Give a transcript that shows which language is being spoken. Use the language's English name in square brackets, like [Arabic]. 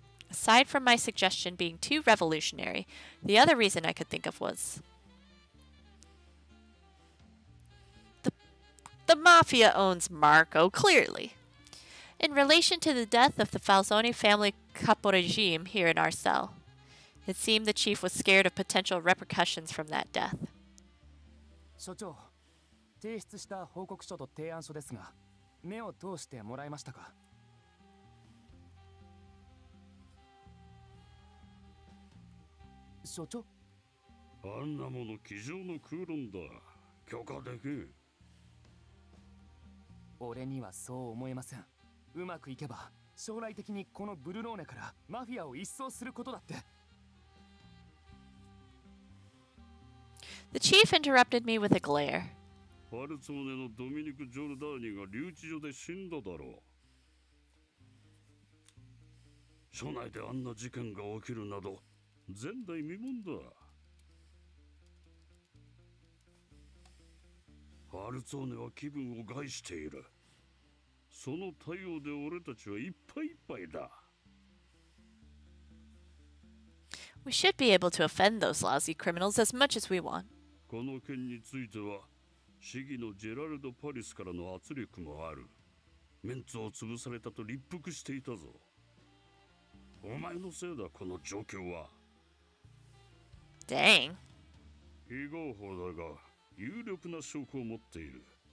[English] Aside from my suggestion being too revolutionary, the other reason I could think of was the mafia owns Marco, clearly. In relation to the death of the Falzoni family capo regime here in our cell, it seemed the chief was scared of potential repercussions from that death. [Japanese] 所長、提出した報告書と提案書ですが、目を通してもらえましたか。所長。あんなもの机上の空論だ。許可できん。俺にはそう思えません。うまくいけば将来的にこのブルローネからマフィアを一掃することだって。 [English] The chief interrupted me with a glare. [Japanese] ファルツォーネのドミニク・ジョルダーニが留置所で死んだだろう。署内であんな事件が起きるなど前代未聞だ。ファルツォーネは気分を害している。その対応で俺たちはいっぱいいっぱいだ。 [English] We should be able to offend those lousy criminals as much as we want. [Japanese] この件については、市議のジェラルド・パリスからの圧力もある。メンツを潰されたと立腹していたぞ。お前のせいだ、この状況は。 [English] Dang. [Japanese] 非合法だが、有力な証拠を持っている。